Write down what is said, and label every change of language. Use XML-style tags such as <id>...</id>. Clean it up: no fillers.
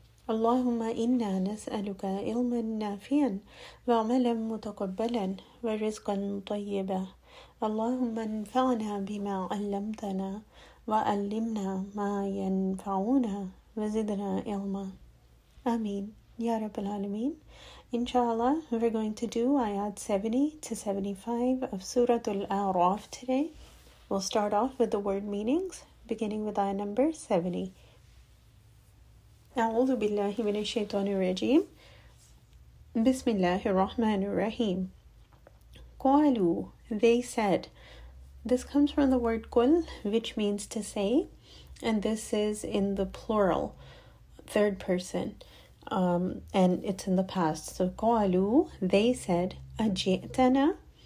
<ar>اللهم إنا نسألك علما نافعا وعملا متقبلا ورزقا طيبا. اللهم انفعنا بما علمتنا وعلمنا ما ينفعنا وزدنا علما. آمين يا رب العالمين.</ar> <en>Inshallah, we're going to do ayat 70 to 75 of Surah Al-A'raf today. We'll start off with the word meanings, beginning with ayah number 70.</en> <ar>أعوذ بالله من الشيطان الرجيم. بسم الله الرحمن الرحيم.</ar> <en>قالوا, they said. This comes from the word قل, which means to say, and this is in the plural, third person, and it's in the past. So قالوا, they said, أجئتنا.</en>